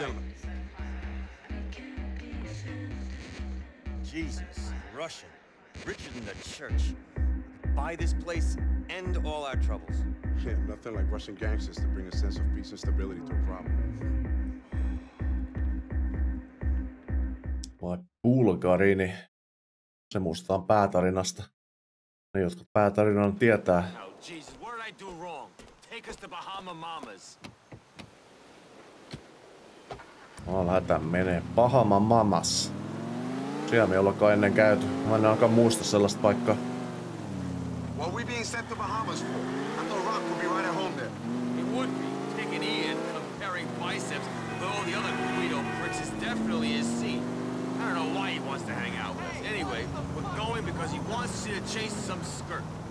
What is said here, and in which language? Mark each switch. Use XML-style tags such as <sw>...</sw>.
<en>Gentlemen. Jesus, Russian. Richer than the church. Buy this place, end all our troubles. Yeah, nothing like Russian gangsters to bring a sense of peace and stability to a problem.</en> <fi>Vai Bulgarini. Se muistetaan päätarinasta. Ne, jotka päätarinan tietää.</fi> <en>Oh, Jesus, what did I do wrong? Take us to Bahama Mamas.</en> <fi>Mä lähdetään menee Bahama Mamas. Siellä me ei ollakaan ennen käyty. Mä en ainakaan muista sellaista paikkaa.</fi> <en>What are we being sent to Bahamas for? I thought Rock would be right at home there. It would be. Taking Ian, comparing biceps, though all the other Guido pricks is definitely his seat. I don't know why he wants to hang out with us. Anyway, we're going because he wants to see a chase some skirt.</en>